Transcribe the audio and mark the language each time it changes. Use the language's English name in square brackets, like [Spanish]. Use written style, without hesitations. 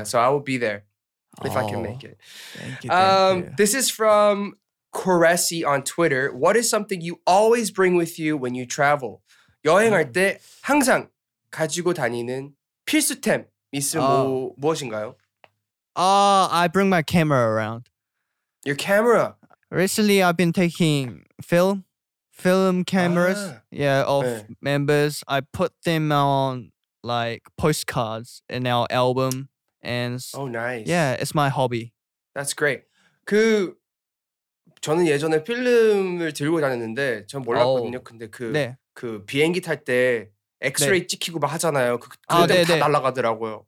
[English] So I will be there if 오, I can make it. Thank you, This is from Koresi on Twitter. What is something you always bring with you when you travel? [Korean] 여행할 때 항상 가지고 다니는 필수템 있으면 뭐, 무엇인가요? [English] I bring my camera around. Your camera? Recently, I've been taking film cameras, members. I put them on like postcards in our album, and oh, nice. Yeah, it's my hobby. That's great. [Korean] 그 저는 예전에 필름을 들고 다녔는데 전 몰랐거든요. Oh. 근데 그 네. 그 비행기 탈 때 엑스레이 네. 찍히고 막 하잖아요. 그 그때 아, 다 날아가더라고요.